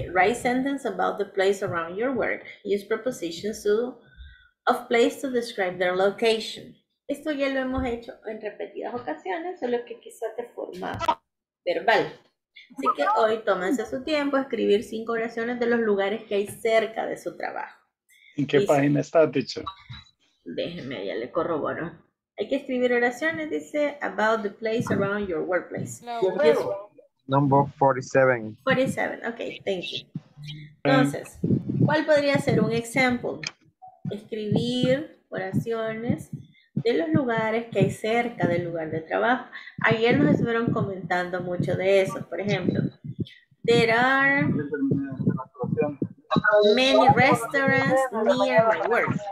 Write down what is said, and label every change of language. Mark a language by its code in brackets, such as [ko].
[en] Write sentence about the place around your work. Use prepositions to of place to describe their location. [es] Esto ya lo hemos hecho en repetidas ocasiones, solo que quizás de forma verbal. Así que hoy tómense su tiempo a escribir 5 oraciones de los lugares que hay cerca de su trabajo. ¿En qué página está, teacher? Déjeme, ya le corroboro. Hay que escribir oraciones, dice, [en] about the place around your workplace. [es] No, [en] Number 47. [es] 47, ok, [en] thank you. [es] Entonces, ¿cuál podría ser un example? Escribir oraciones de los lugares que hay cerca del lugar de trabajo. Ayer nos estuvieron comentando mucho de eso. Por ejemplo, [en] there are many restaurants near my work.